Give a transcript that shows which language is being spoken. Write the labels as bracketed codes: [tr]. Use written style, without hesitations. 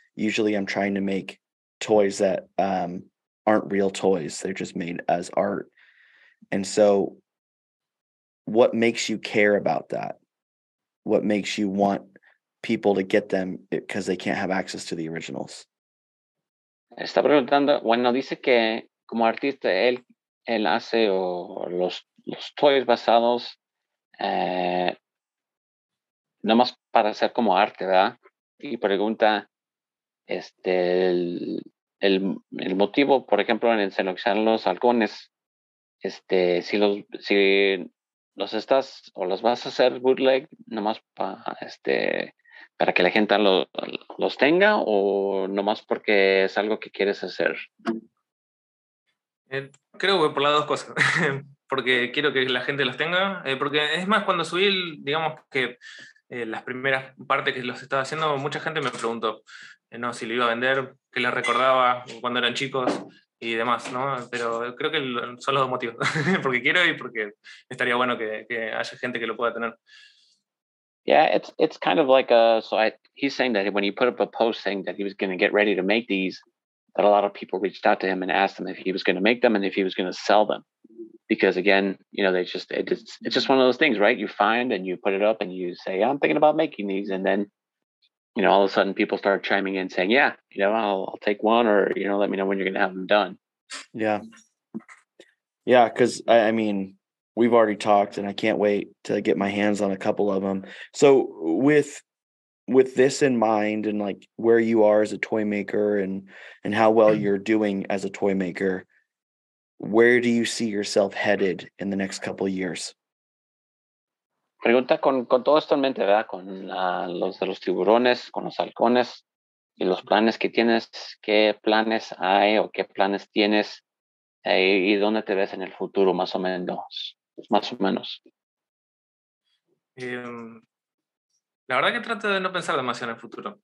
[en] Usually I'm trying to make toys that aren't real toys. They're just made as art. And so what makes you care about that? What makes you want people to get them because they can't have access to the originals? [es] Está preguntando, bueno, dice que como artista él... Él hace o los toys basados nomás para hacer como arte, ¿verdad? Y pregunta el motivo, por ejemplo, en seleccionar los halcones, si los estás o los vas a hacer bootleg nomás para que la gente los tenga o nomás porque es algo que quieres hacer. Creo que por las dos cosas, porque quiero que la gente los tenga, porque es más, cuando subí, digamos que las primeras partes que los estaba haciendo, mucha gente me preguntó no, si lo iba a vender, que les recordaba cuando eran chicos y demás, ¿no? Pero creo que son los dos motivos, porque quiero y porque estaría bueno que haya gente que lo pueda tener. [en] Yeah, it's kind of like, he's saying that when he put up a post saying that he was going to get ready to make these, that a lot of people reached out to him and asked him if he was going to make them and if he was going to sell them. Because again, you know, it's just one of those things, right? You find and you put it up and you say, I'm thinking about making these. And then, you know, all of a sudden people start chiming in saying, yeah, you know, I'll take one or, you know, let me know when you're going to have them done. Yeah. Yeah. Cause I mean, we've already talked and I can't wait to get my hands on a couple of them. So with this in mind and like where you are as a toy maker and how well you're doing as a toy maker, where do you see yourself headed in the next couple of years? [es] Pregunta con todo esto en mente, ¿verdad? Con los de los tiburones, con los halcones y los planes que tienes, ¿qué planes hay o qué planes tienes y dónde te ves en el futuro más o menos? La verdad que trato de no pensar demasiado en el futuro.